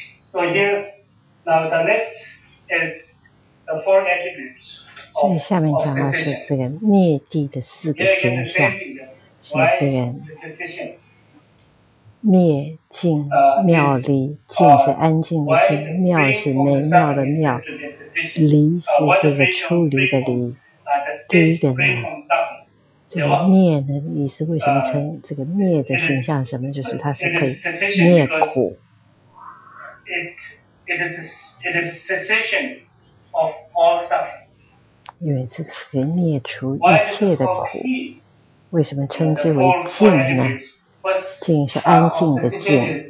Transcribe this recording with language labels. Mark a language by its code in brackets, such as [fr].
[en] So here, now the next is the four attributes. [zh] 所以下面讲的是这个灭谛的四个形象，是这个。灭静妙离静是安静的静妙是美妙的妙离是这个出离的离第一个呢这个灭呢你是为什么称这个灭的形象什么就是它是可以灭苦 [en] it is cessation of all sufferings [zh] 因为这是可以灭除一切的苦为什么称之为静呢静是安静的静。